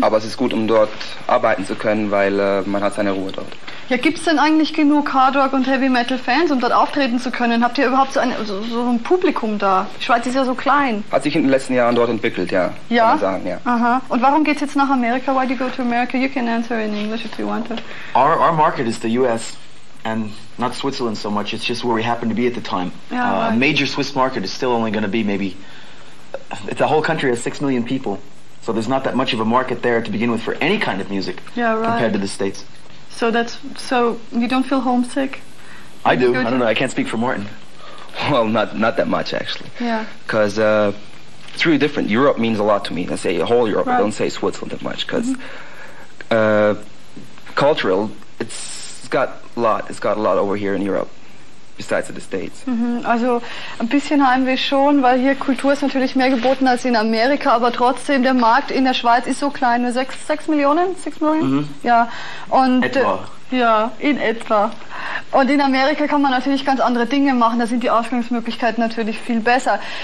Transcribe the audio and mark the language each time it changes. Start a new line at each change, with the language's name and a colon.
German: Aber es ist gut, um dort arbeiten zu können, weil man hat seine Ruhe dort. Ja, gibt es denn eigentlich genug Hard Rock und Heavy Metal Fans, um dort auftreten zu können? Habt ihr überhaupt so ein Publikum da? Schweiz ist ja so klein. Hat sich in den letzten Jahren dort entwickelt, ja. Ja? Kann man sagen, ja. Aha. Und warum geht's jetzt nach Amerika?
English: Why do you go to America? You can answer in English if you want to. Our market is the US. And not Switzerland so much, it's just where we happen to be at the time. Yeah, a major Swiss market is still only going to be maybe, the whole country has 6 million people, so there's not that much of a market there to begin with for any kind of music compared to the States. So that's, so you don't feel homesick? I do, I don't know, I can't speak for Martin. Well, not that much actually. Yeah. Because it's really different. Europe means a lot to me. I say whole Europe, I don't say Switzerland that much, because cultural, it's got a lot over here in Europe, besides in the States.
German: Mhm, also ein bisschen Heimweh schon, weil hier Kultur ist natürlich mehr geboten als in Amerika, aber trotzdem, der Markt in der Schweiz ist so klein, nur 6 Millionen? 6 Millionen? Mhm. Ja. Und etwa. Ja, in etwa. Und in Amerika kann man natürlich ganz andere Dinge machen, da sind die Ausgangsmöglichkeiten natürlich viel besser.